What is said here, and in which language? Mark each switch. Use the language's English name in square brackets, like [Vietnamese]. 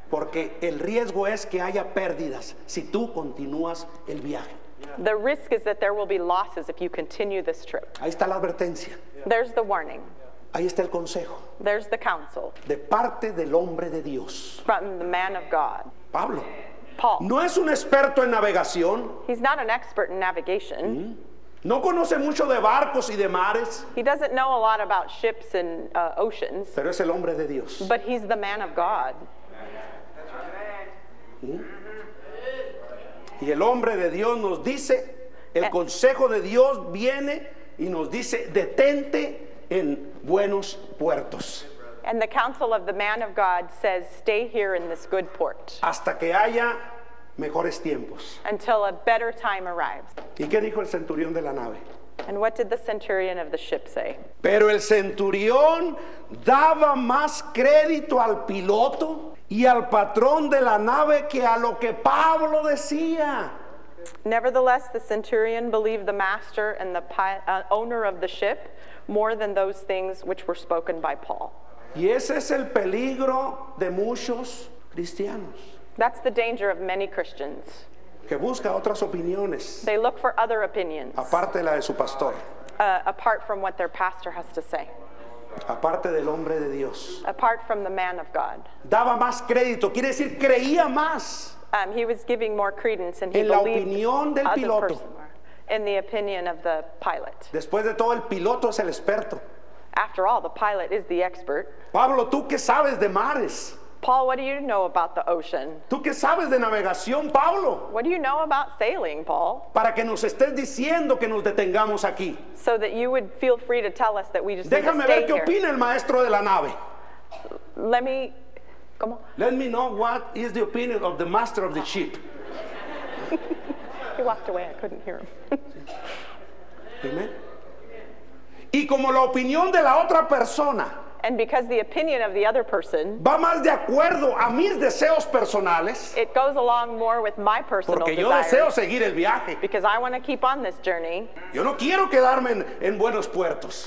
[Spanish] Porque el riesgo es que haya pérdidas si tú continúas el viaje. [English] The risk is that there will be losses if you continue this trip. [Spanish] Ahí está la advertencia. [English] There's the warning. [Spanish] Ahí está el consejo. [English] There's the counsel. [Spanish] De parte del hombre de Dios. [English] From the man of God. [Spanish] Pablo. [English] Paul. [Spanish] No es un experto en navegación. [English] He's not an expert in navigation. [Spanish] No conoce mucho de barcos y de mares. [English] He doesn't know a lot about ships and oceans. [Spanish] Pero es el hombre de Dios. [English] But he's the man of God. [Spanish] Y el hombre de Dios nos dice, el consejo de Dios viene y nos dice, detente en buenos puertos. [English] And the counsel of the man of God says, stay here in this good port. [Spanish] Hasta que haya mejores tiempos. [English] Until a better time arrives. [Spanish] ¿Y qué dijo el centurión de la nave? [English] And what did the centurion of the ship say? [Spanish] Pero el centurión daba más crédito al piloto y al patrón de la nave que a lo que Pablo decía. [English] Nevertheless, the centurion believed the master and the owner of the ship more than those things which were spoken by Paul. [Spanish] Y ese es el peligro de muchos cristianos. [English] That's the danger of many Christians. [Spanish] Que busca otras opiniones. [English] They look for other opinions. [Spanish] Aparte de la de su pastor. [English] Apart from what their pastor has to say. [Spanish] Aparte del hombre de Dios. [English] Apart from the man of God. [Spanish] Daba más crédito, quiere decir creía más. [English] He was giving more credence and he [Spanish] en la opinión del piloto. [English] In the opinion of the pilot. [Spanish] Después de todo, el piloto es el experto. [English] After all, the pilot is the expert. [Spanish] Pablo, ¿tú qué sabes de mares? [English] Paul, what do you know about the ocean? [Spanish] ¿Tú qué sabes de navegación, Pablo? [English] What do you know about sailing, Paul? [Spanish] Para que nos estés diciendo que nos detengamos aquí. [English] So that you would feel free to tell us that we just [Spanish] déjame [English] need to stay [Spanish] ver qué [English] here. [Spanish] Opina el maestro de la nave. [English] Let me, [Spanish] ¿cómo? [English] Let me know what is the opinion of the master of the ship. He walked away, I couldn't hear him. Amen. [Spanish] Y como la opinión de la otra persona. [English] And because the opinion of the other person [Spanish] va más de acuerdo a mis deseos personales, [English] it goes along more with my personal [Spanish] porque yo [English] desires [Spanish] deseo seguir el viaje. [English] Because I want to keep on this journey. [Spanish] Yo no quiero quedarme en buenos puertos.